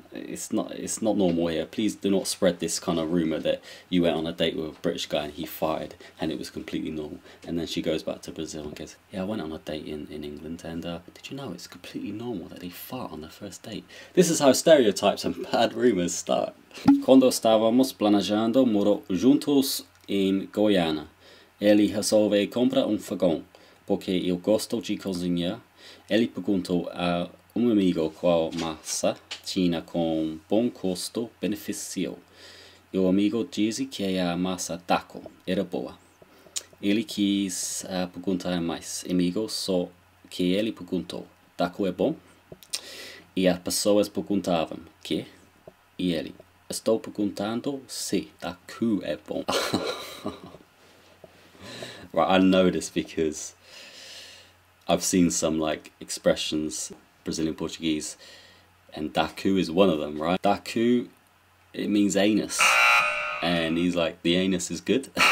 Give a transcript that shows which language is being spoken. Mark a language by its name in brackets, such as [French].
[English] It's not normal here. Please do not spread this kind of rumor that you went on a date with a British guy and he farted and it was completely normal. And then she goes back to Brazil and goes, "Yeah, I went on a date in England and did you know it's completely normal that they fart on the first date?" This is how stereotypes and bad rumors start. [Portuguese] Quando estávamos planejando morar juntos em Goiânia, ele resolveu comprar fogão porque eu gosto de cozinhar. Ele perguntou a amigo qual massa tinha com bom custo benefício. E o amigo disse que a massa taco era boa. Ele quis perguntar mais amigo, só que ele perguntou, taco é bom? E as pessoas perguntavam, que? E ele, estou perguntando se taco é bom. [English] Right, I know this because I've seen some like expressions Brazilian Portuguese, and daku is one of them, right? Daku, it means anus, and he's like, the anus is good.